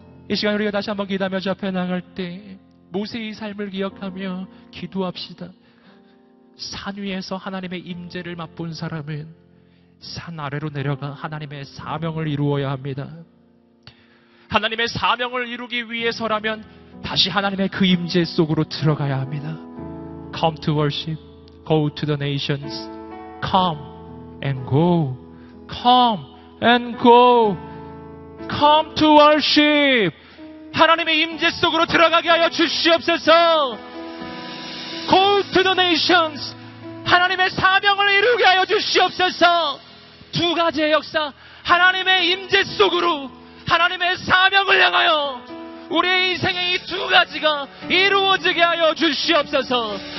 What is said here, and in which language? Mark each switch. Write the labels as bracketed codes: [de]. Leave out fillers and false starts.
[ko] 이 시간 우리가 다시 한번 기다며 주 앞에 나갈 때 모세의 삶을 기억하며 기도합시다. 산 위에서 하나님의 임재를 맛본 사람은 산 아래로 내려가 하나님의 사명을 이루어야 합니다. 하나님의 사명을 이루기 위해서라면 다시 하나님의 그 임재 속으로 들어가야 합니다. [en] Come to worship, go to the nations, come and go, come and go, come to worship. [ko] 하나님의 임재 속으로 들어가게 하여 주시옵소서. [en] Go to the nations, [ko] 하나님의 사명을 이루게 하여 주시옵소서. 두 가지의 역사, 하나님의 임재 속으로 하나님의 사명을 향하여 우리의 인생의 이 두 가지가 이루어지게 하여 주시옵소서.